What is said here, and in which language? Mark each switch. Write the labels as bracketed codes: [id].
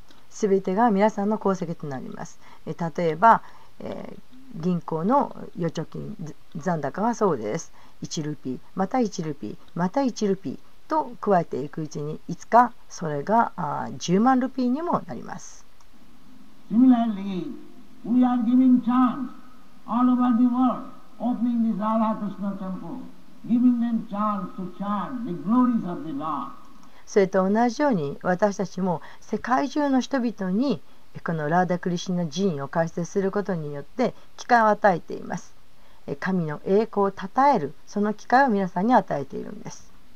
[ja] 全てが皆さんの功績となります。例えば銀行の預貯金残高はそうです、1ルピーまた1ルピーまた1ルピーと加えていくうちに、いつかそれが10万ルピーにもなります。 [en] Similarly, we are giving chants all over the world, opening this Radha Krishna temple, giving them chants to chant the glories of the Lord. [ja] それと同じように私たちも世界中の人々にこのラーダ・クリシナ寺院を開設することによって機会を与えています。神の栄光を称える、その機会を皆さんに与えているんです。